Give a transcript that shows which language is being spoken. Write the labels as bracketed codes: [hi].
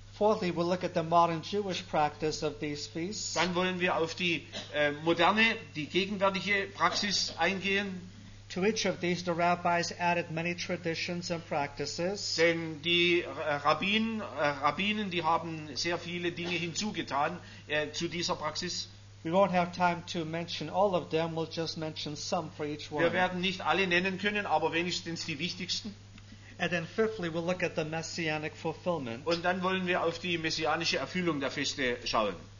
[en] Fourthly, we'll look at the modern Jewish practice of these feasts. [de] Dann wollen wir auf die moderne, die gegenwärtige Praxis eingehen. [en] To each of these, the rabbis added many traditions and practices. [de] Denn die Rabbinen, die haben sehr viele Dinge hinzugetan zu dieser Praxis. [en] We won't have time to mention all of them. We'll just mention some for each one. [de] Wir werden nicht alle nennen können, aber wenigstens die wichtigsten. [en] And then fifthly, we'll look at the messianic fulfillment. [de] Und dann wollen wir auf die messianische Erfüllung der Feste schauen.